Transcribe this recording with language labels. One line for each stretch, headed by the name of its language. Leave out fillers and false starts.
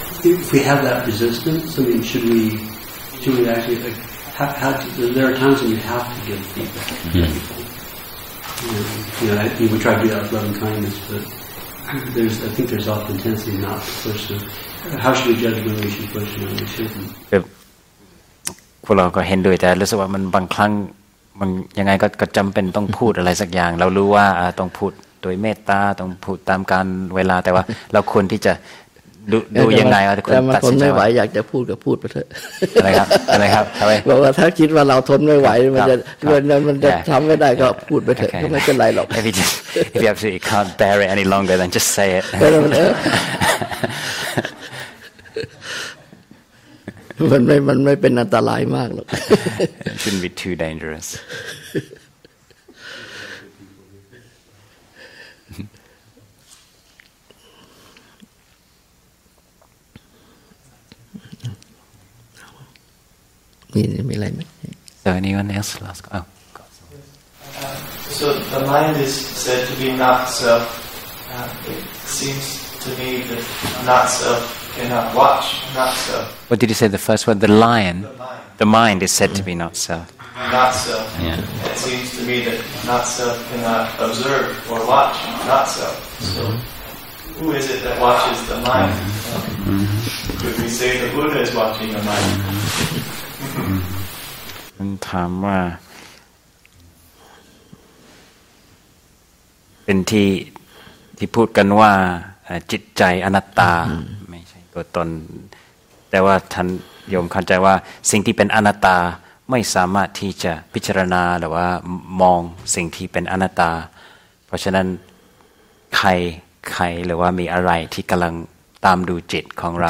English: If we have that resistance, I mean, should we actually like have to, there are times when you have to give feedback. Mm-hmm. To people. You know, we try to do that with loving kindness, but I think there's often tendency not to push them. How should we judge when we should push and when we shouldn't?
Thai: พวกเราก็เห็นด้วยแต่รู้สึกว่ามันบางครั้งมันยังไงก็จำเป็นต้องพูดอะไรสักอย่างเรารู้ว่าต้องพูดโดยเมตตาต้องพูดตามการเวลาแต่ว่าเราควรที่จะดูยังไง ว่ า แต่มันทนไม่ไหวอยากจะพูดก็พูดไปเถอะ อะไรครับอะไรครับ บอกว่าถ้าคิดว่าเราทนไม่ไหวมันจะทำไม่ได้ก็พูดไปเถอะก็ไม่เป็นไรหรอก If you absolutely can't bear it any longer then just say it มันไม่เป็นอันตรายมากหรอก It shouldn't be too dangerous มีอะไรไหม
English: So anyone else to ask? Oh, God. So the mind is said to be not self. It seems to me that not self. Cannot watch, not self. What did you say? The first word, the lion. The mind is said to be not self. Not self. Yeah. It seems to me that not self cannot observe or watch, not self. So, who is it that watches the mind? Could we say the Buddha is watching the mind? And Tamra, in
Thai: ที่พูดกันว่าจิตใจอนัตตาตัวตนแต่ว่าท่านโยมเข้าใจว่าสิ่งที่เป็นอนัตตาไม่สามารถที่จะพิจารณาหรือว่ามองสิ่งที่เป็นอนัตตาเพราะฉะนั้นใครหรือว่ามีอะไรที่กำลังตามดูจิตของเรา